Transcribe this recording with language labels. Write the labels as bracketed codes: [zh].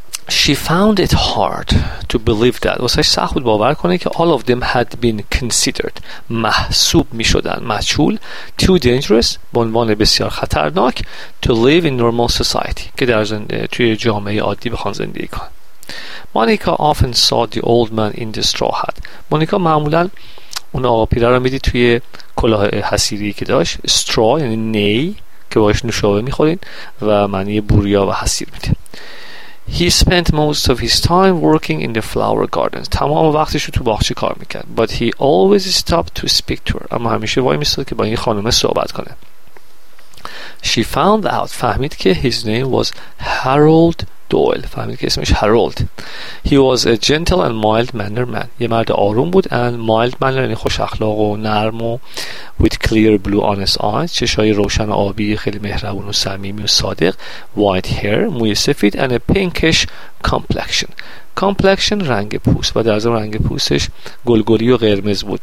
[en] She found it hard to believe that. [fa] واسه سخت بود باور کنه که [en] all of them had been considered. [fa] محسوب می شدن. مجهول. [en] Too dangerous. [fa] به عنوان بسیار خطرناک. [en] To live in normal society. [fa] که در زنده توی جامعه عادی بخوان زندگی کن. [en] Monica often saw the old man in the straw hat. [fa] مونیکا معمولا اون آقا پیره رو می دید توی کلاه حصیری که داشت. Straw یعنی نی که باش نوشابه می خورین و معنی بوریا و حصیر می ده. [en] He spent most of his time working in the flower gardens. [fa] تمام وقتش رو تو باغچه کار میکرد. [en] But he always stopped to speak to her. [fa] اما همیشه وای میستاد که با این خانم صحبت کنه. [en] She found out, [fa] فهمید که [en] his name was Harold [fa] دویل، فهمید که اسمش هارولد. [en] He was a gentle and mild mannered man. [fa] یه مرد آروم بود [en] and mild mannered، [fa] یعنی خوش اخلاق و نرم و [en] with clear blue honest eyes، [fa] چشای روشن آبی، خیلی مهربون و صمیمی و صادق. [en] White hair، [fa] موی سفید [en] and a pinkish complexion. [fa] کامپلکشن رنگ پوست، و در ضمن رنگ پوستش گلگلی و قرمز بود.